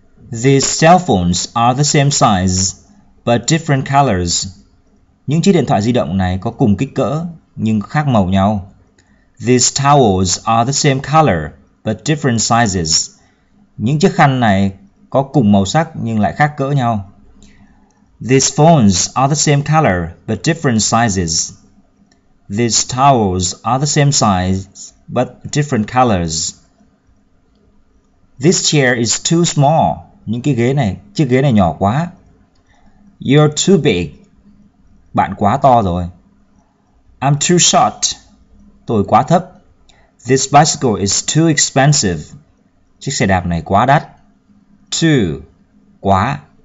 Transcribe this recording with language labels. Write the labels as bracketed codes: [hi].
[en] These cell phones are the same size, but different colors. [vi] Những chiếc điện thoại di động này có cùng kích cỡ, nhưng khác màu nhau. [en] These towels are the same color, but different sizes. [vi] Những chiếc khăn này có cùng màu sắc nhưng lại khác cỡ nhau. [en] These phones are the same color, but different sizes. These towels are the same size, but different colors. This chair is too small. [vi] Những cái ghế này, chiếc ghế này nhỏ quá. [en] You're too big. [vi] Bạn quá to rồi. [en] I'm too short. [vi] Tôi quá thấp. [en] This bicycle is too expensive. [vi] Chiếc xe đạp này quá đắt. Too. Quá.